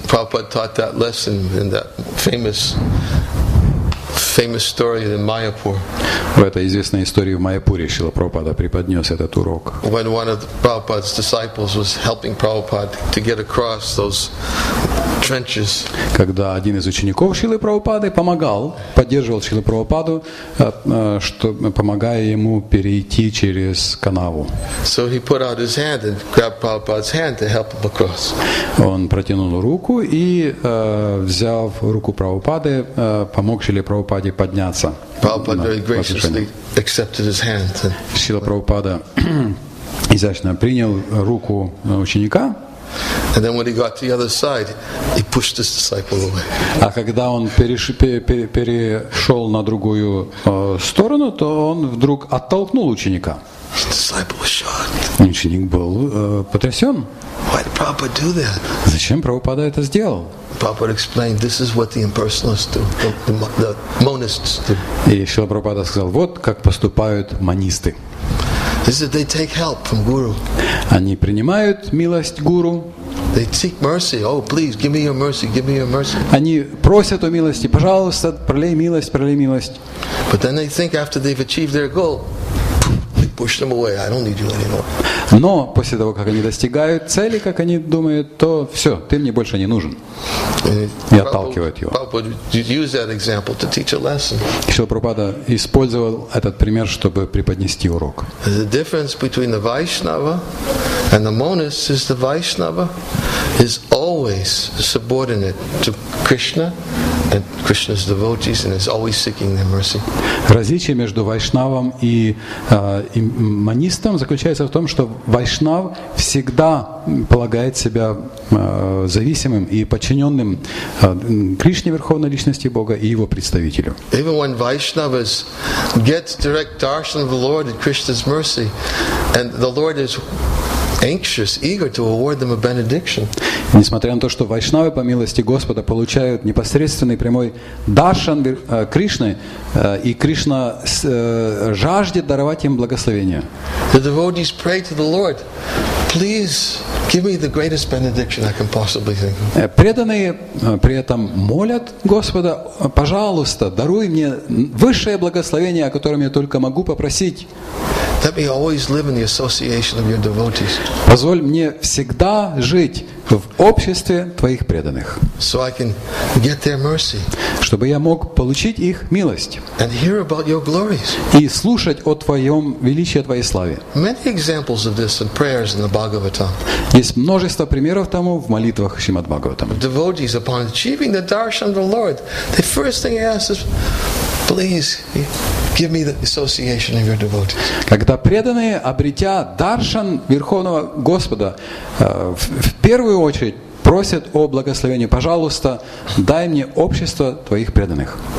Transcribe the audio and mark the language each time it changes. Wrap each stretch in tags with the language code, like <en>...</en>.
<en>Prabhupada taught that lesson in that famous story in Mayapur.</en> <ru>В этой известной истории в Майяпуре Шрила Прабхупада преподнес этот урок.</ru> <en>When one of Prabhupada's disciples was helping Prabhupada to get across those trenches.</en> <ru>Когда один из учеников Шрилы Прабхупады помогал, поддерживал Шрилу Прабхупаду, помогая ему перейти через канаву.</ru> <en>So he put out his hand and grabbed Prabhupada's hand to help him across.</en> <ru>Он протянул руку и, взяв руку Прабхупады, помог Шриле Прабхупаде подняться.</ru> <en>Prabhupada very graciously accepted his hand.</en> <ru>Шрила Прабхупада изящно принял руку ученика.</ru> <en>And then when he got to the other side, he pushed his disciple away.</en> <ru>А когда он перешел на другую сторону, то он вдруг оттолкнул ученика.</ru> <en>His disciple was shocked.</en> <ru>Ученик был потрясен.</ru> <en>Why did Prabhupada do that?</en> <ru>Зачем Прабхупада это сделал?</ru> <en>Prabhupada explained, "This is what the impersonalists do, the monists do."</en> <ru>И Шрила Прабхупада сказал, вот как поступают монисты.</ru> <en>Is that they take help from guru?</en> <ru>Они принимают милость гуру.</ru> <en>They seek mercy. Oh, please, give me your mercy. Give me your mercy.</en> <ru>Они просят о милости. Пожалуйста, пролей милость, пролей милость.</ru> <en>But then they think after they've achieved their goal, they push them away. I don't need you anymore.</en> <ru>Но после того, как они достигают цели, как они думают, то все, ты мне больше не нужен. И отталкивают его. Шрила Прабхупада использовал этот пример, чтобы преподнести урок.</ru> <en>The difference between the Vaishnava and the monist is the Vaishnava is always subordinate to Krishna and Krishna's devotees and is always seeking their mercy.</en> <ru>Различие между вайшнавом и монистом заключается в том, что вайшнав всегда полагает себя зависимым и подчиненным Кришне, Верховной Личности Бога, и его представителю.</ru> <en>Even when Vaishnavas get direct darshan of the Lord at Krishna's mercy, and the Lord is anxious, eager to award them a benediction.</en> <ru>Несмотря на то, что вайшнавы по милости Господа получают непосредственный прямой даршан Кришны, и Кришна жаждет даровать им благословение.</ru> <en>The devotees pray to the Lord, please give me the greatest benediction I can possibly think of.</en> <ru>Преданные при этом молят Господа, пожалуйста, даруй мне высшее благословение, о котором я только могу попросить.</ru> <en>Let me always live in the association of your devotees.</en> <ru>Позволь мне всегда жить в обществе твоих преданных.</ru> <en>So I can get their mercy.</en> <ru>Чтобы я мог получить их милость.</ru> <en>And hear about your glories.</en> <ru>И слушать о твоем величии, о твоей славе.</ru> <en>Many examples of this in prayers in the Bhagavatam.</en> <ru>Есть множество примеров тому в молитвах Шримад Бхагаватам.</ru> <en>Devotees upon achieving the darshan of the Lord, the first thing they ask is, please. Give me the association of your devotees.</en> <ru>Когда преданные, обретя даршан Верховного Господа, в первую очередь просят о благословении, пожалуйста, дай мне общество твоих преданных.</ru>